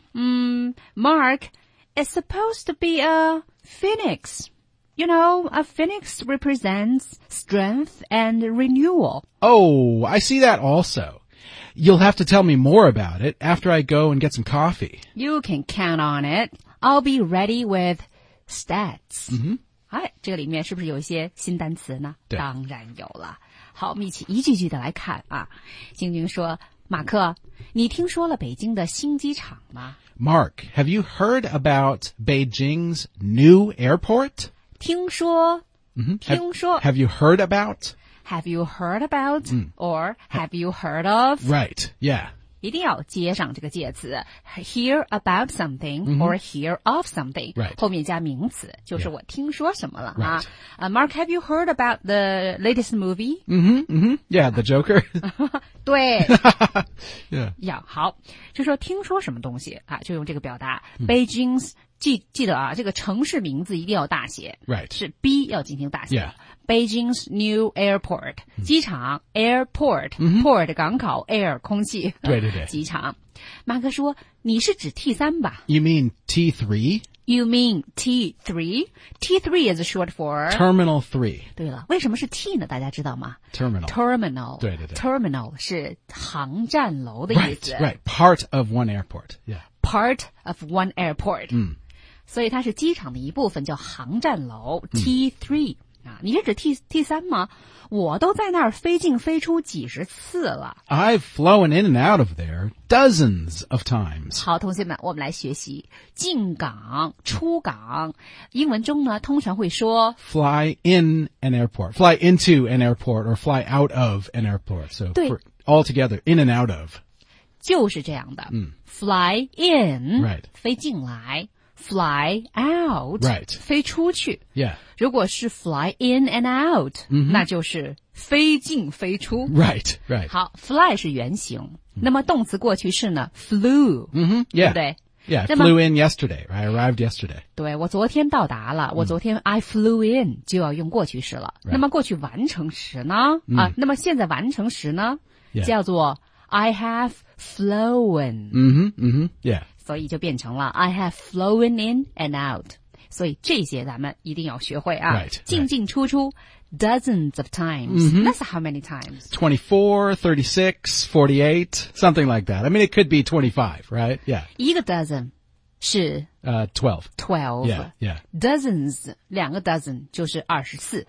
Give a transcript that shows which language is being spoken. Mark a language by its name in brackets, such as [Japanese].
[English] Mark, it's supposed to be a phoenix. You know, a phoenix represents strength and renewal. Oh, I see that also. You'll have to tell me more about it after I go and get some coffee. You can count on it. I'll be ready with stats. [Chinese] 这里面是不是有一些新单词呢？当然有了。好，我们一起一句句的来看啊。晶晶说，马克，你听说了北京的新机场吗？ [English] Mark, have you heard about Beijing's new airport? [Chinese] 听说、听说。 [English] Have you heard about? Have you heard about? Or have you heard of? Right, yeah. [Chinese] 一定要接上这个介词 [English] hear about something or hear of something、 right. [Chinese] 后面加名词就是我听说什么了、 [English] right. Mark, have you heard about the latest movie? Yeah, the Joker. [Chinese] 对 [English] yeah. [Chinese] Yeah, 好就说听说什么东西、啊、就用这个表达、Beijing's 记得啊这个城市名字一定要大写、 [English] right. [Chinese] 是 B 要进行大写、 [English] yeah. Beijing's new airport、机场 airport、port 港口 air 空气 [Chinese] 对对对机场马克说你是指 T3 吧 [English] You mean T3? You mean T3 is short for Terminal 3 [Chinese] 对了为什么是 T 呢大家知道吗 Terminal 对对对 Terminal 是航站楼的意思 [English] Right, part of one airport、yeah. Part of one airport、 mm. [Chinese] 所以它是机场的一部分叫航站楼 T3、你是指 T3 吗我都在那儿飞进飞出几十次了 [English] I've flown in and out of there dozens of times [Chinese] 好同学们我们来学习进港出港英文中呢通常会说 [English] fly in an airport fly into an airport or fly out of an airport so for, all together in and out of [Chinese] 就是这样的、fly in、飞进来Fly out. [English] Right. [Chinese] 飞出去。 [English] Yeah. [Chinese] 如果是 [English] fly in and out,、 [Chinese] 那就是飞进飞出。 [English] Right, right. [Chinese] 好 ,fly 是原型。那么动词过去式呢 ,flew. [English] Yeah. [Chinese] 对不对 [English] Yeah, flew in yesterday. I arrived yesterday. [Chinese] 对我昨天到达了我昨天 [English] I flew in [Chinese] 就要用过去式了。 [English] Right. [Chinese] 那么过去完成时呢、那么现在完成时呢、叫做 I have flown. [English] Yeah. [Chinese] 所以就变成了 [English] I have flown in and out. [Chinese] 所以这些咱们一定要学会啊。 [English] Right, [Chinese] 进进出出 [English] dozens of times.、That's how many times? 24, 36, 48, something like that. I mean, it could be 25, right? Yeah. [Chinese] 一个 dozen 是 [English] 12. Yeah, yeah. [Chinese] Dozens, 两个 dozen 就是24.